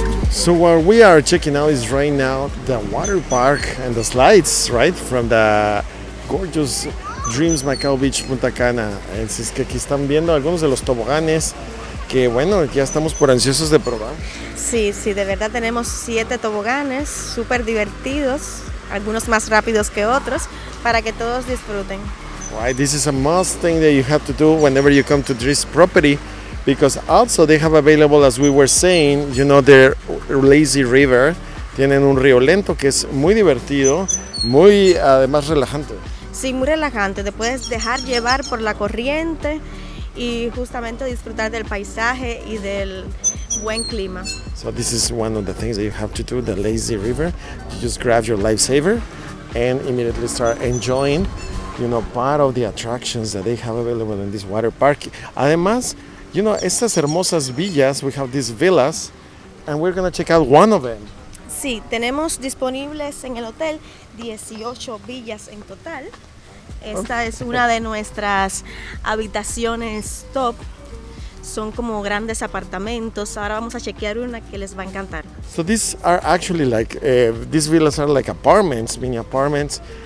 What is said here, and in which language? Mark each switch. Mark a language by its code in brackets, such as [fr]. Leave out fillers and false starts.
[en] So what we are checking out is right now the water park and the slides, right, from the gorgeous Dreams Macao Beach Punta Cana. [es] Es que aquí están viendo algunos de los toboganes. Que bueno, ya estamos por ansiosos de probar. Sí, sí, de verdad tenemos 7 toboganes, súper divertidos, algunos más rápidos que otros, para que todos disfruten. [en] Right, this is a must thing that you have to do whenever you come to this property, because also they have available, as we were saying, you know, their lazy river. [es] Tienen un río lento que es muy divertido, muy además relajante. Sí, muy relajante, te puedes dejar llevar por la corriente, y justamente disfrutar del paisaje y del buen clima. [en] So this is one of the things that you have to do, the lazy river. You just grab your lifesaver and immediately start enjoying, you know, part of the attractions that they have available in this water park. Además, you know, [es] estas hermosas villas, [en] we have these villas, and we're gonna check out one of them. [es] Sí, tenemos disponibles en el hotel 18 villas en total. Esta es una de nuestras habitaciones top. Son como grandes apartamentos. Ahora vamos a chequear una que les va a encantar. [en] So these are actually like, these villas are like apartments, mini apartments.